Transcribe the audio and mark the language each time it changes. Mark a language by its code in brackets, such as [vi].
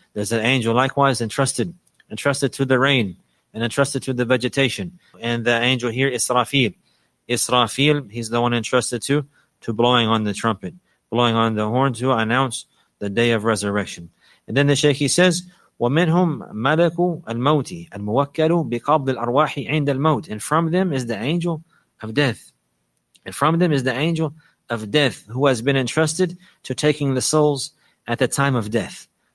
[en] There's an angel likewise entrusted to the rain and entrusted to the vegetation. And the angel here, Israfil, he's the one entrusted to blowing on the trumpet, blowing on the horn to announce the day of resurrection. And then the Shaykh, he says, [ar] وَمِنْهُمْ مَلَكُ الْمَوْتِ الْمُوَكَّلُ بِقَبْضِ الْأَرْوَاحِ عِنْدَ الْمَوْتِ. [en] And from them is the angel of death. And from them is the angel of death who has been entrusted to taking the souls at the time of death.